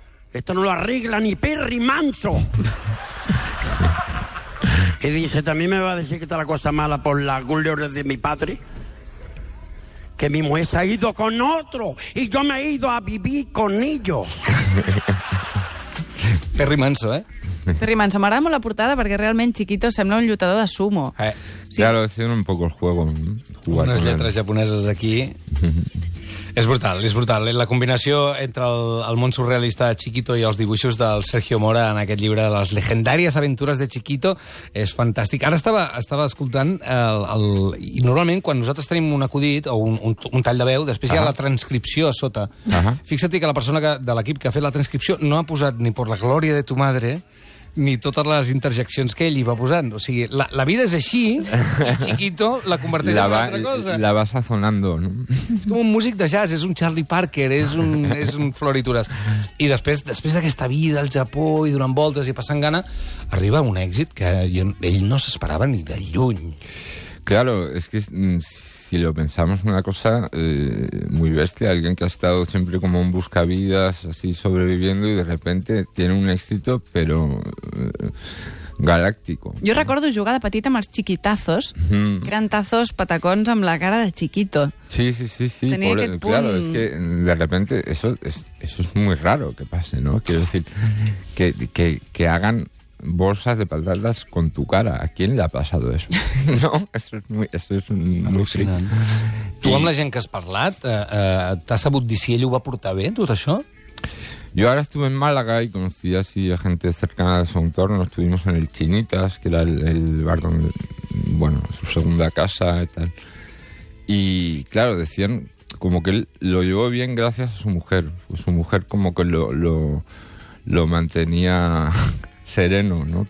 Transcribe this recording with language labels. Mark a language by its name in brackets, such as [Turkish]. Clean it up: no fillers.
[Spanish] Esto no lo arregla ni Perry Manso. Y dice, también me va a decir que está la cosa mala por la gloria de mi padre. Que mi mujer se ha ido con otro y yo me he ido a vivir con ellos. Perry Manso, ¿eh? [Catalan] Perry Manso, m'agrada molt la portada perquè realment Chiquito sembla un lluitador de sumo. Sí. [Spanish] Claro, es un poco el juego. [Catalan] Unes lletres japoneses aquí. És brutal. La combinació entre el món surrealista de Chiquito i els dibuixos del Sergio Mora en aquest llibre de les legendàries aventures de Chiquito és fantàstic. Ara estava escoltant i normalment quan nosaltres tenim un acudit o un tall de veu, després hi ha la transcripció a sota. Fixa't que la persona de l'equip que ha fet la transcripció no ha posat ni [Spanish] por la glòria de tu madre, [Catalan] ni totes les interjeccions que ell hi va posant. O sigui, la vida és així, el Chiquito la converteix en una altra cosa. La va sazonando, no? És com un músic de jazz, és un Charlie Parker, és un Florituras. I després d'aquesta vida al Japó i durant voltes i passant gana, arriba un èxit que ell no s'esperava ni de lluny. [Spanish] Claro, es que si lo pensamos, una cosa muy bestia, alguien que ha estado siempre como un buscavidas, así sobreviviendo, y de repente tiene un éxito, pero galáctico. Yo recuerdo jugar [Catalan] de petita amb els Chiquitazos, gran tazos patacons amb la cara de Chiquito. Sí. [Spanish] Claro, es que de repente eso es muy raro que pase, ¿no? Quiero decir, que hagan bolsas de patatas con tu cara. ¿A quién le ha pasado eso? No, eso es un... [Catalan] Tu, amb la gent que has parlat, t'has sabut dir si ell ho va portar bé, tot això? [Spanish] Yo ahora estuve en Málaga y conocí así a gente cercana de su entorno. Estuvimos en el Chinitas, que era el bar donde, bueno, su segunda casa y tal. Y claro, decían como que él lo llevó bien gracias a su mujer. Pues su mujer como que lo mantenía sereno, ¿no?